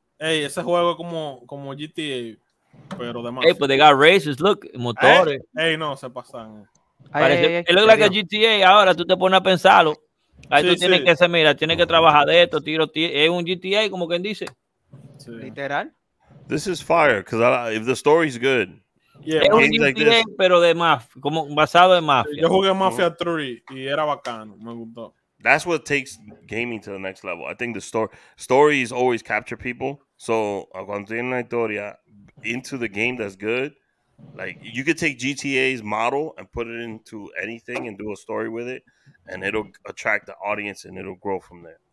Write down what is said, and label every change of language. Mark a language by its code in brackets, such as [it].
[es] Hey, ese juego es como GTA, pero de más. [en] Hey, but they got races, look, motores. [es] Hey, no, se pasan. [en] It looks like a GTA, [es] ahora tú te pones a pensarlo. Ahí sí, tú tienes que hacer, mira, tienes que trabajar de esto, es un GTA, como quien dice. Sí. Literal. [en] This is fire, because if the story's good, [es] Yeah, es un GTA, like pero de mafia, como basado en mafia. Yo jugué Mafia 3 y era bacano, me gustó. [en] That's what takes gaming to the next level. I think the stories always capture people. So, [es] cuando tiene una historia [en] into the game that's good, like, you could take GTA's model and put it into anything and do a story with it, and it'll attract the audience and it'll grow from there.